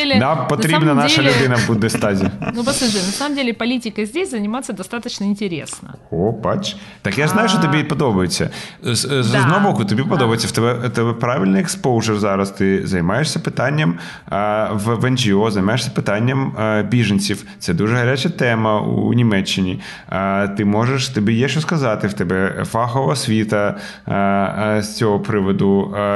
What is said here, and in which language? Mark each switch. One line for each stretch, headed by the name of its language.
Ukrainian: Нам потрібна наша людина в Бундестазі.
Russian: Ну, послухай, на самом деле політика здесь заниматься достаточно интересно.
Ukrainian: О, бач. Так я знаю, що тобі подобається. З одного тобі подобається. В тебе правильний експоужер зараз. Ти займаєшся питанням в НГО, займаєшся питанням біженців. Це дуже гаряча тема у Німеччині. Тобі є що сказати, в тебе фахова освіта з цього приводу.